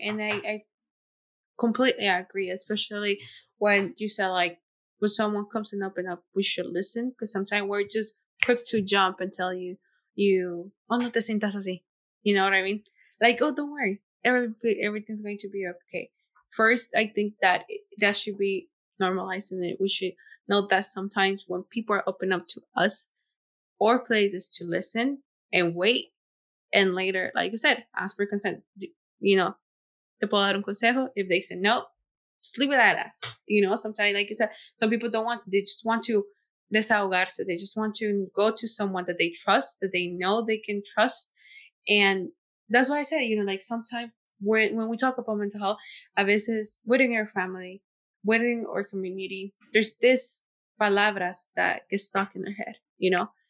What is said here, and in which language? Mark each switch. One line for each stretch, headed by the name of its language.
English: And I completely agree, especially when you said, like, when someone comes and open up, we should listen, because sometimes we're just quick to jump and tell you, oh,
Spanish: no te sientas así.
English: You know what I mean? Like, oh, don't worry. Everything's going to be okay. First, I think that that should be normalized, and we should know that sometimes when people are open up to us, our place is to listen and wait. And later, like you said, ask for consent. You know,
Spanish: te puedo dar un consejo.
English: If they say no, just leave it at that. You know, sometimes, like you said, some people don't want to. They just want to
Spanish: desahogarse.
English: They just want to go to someone that they trust, that they know they can trust. And that's why I said, you know, like sometimes when we talk about mental health,
Spanish: a veces
English: within our family, within our community, there's this
Spanish: palabras
English: that get stuck in their head, you know?